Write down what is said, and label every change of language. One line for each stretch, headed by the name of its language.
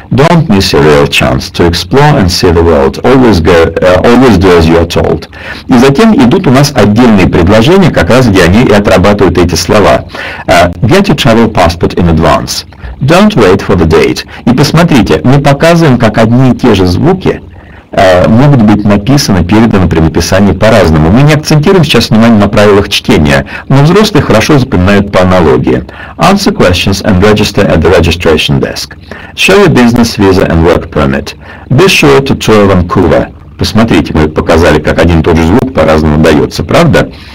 English: Don't miss a real chance to explore and see the world. Always go, always do as you are told.
Russian: И затем идут у нас отдельные предложения, как раз где они и отрабатывают эти слова.
English: Get your travel passport in advance. Don't wait for the date.
Russian: И посмотрите, мы показываем, как одни и те же звуки могут быть написаны, переданы при написании по-разному. Мы не акцентируем сейчас внимание на правилах чтения, но взрослые хорошо запоминают по аналогии.
English: Answer questions and register at the registration desk. Show a business visa and work permit. Be sure to tour Vancouver.
Russian: Посмотрите, мы показали, как один и тот же звук по-разному дается, правда?